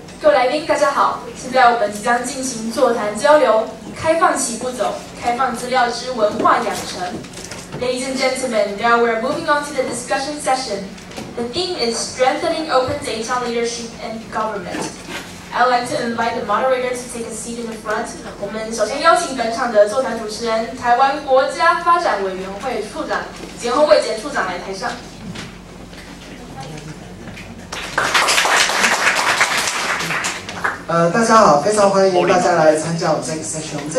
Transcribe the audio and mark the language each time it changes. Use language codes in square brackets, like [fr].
[zh] 来宾大家好，现在我们即将进行座谈交流，开放起步走，开放资料之文化养成。 [en] Ladies and gentlemen, now we're moving on to the discussion session. The theme is strengthening open data leadership and government. I'd like to invite the moderator to take a seat in the front. [zh] 我们首先邀请本场的座谈主持人，台湾国家发展委员会处长简宏伟简处长来台上。大家好，非常欢迎大家来参加我们这个 session。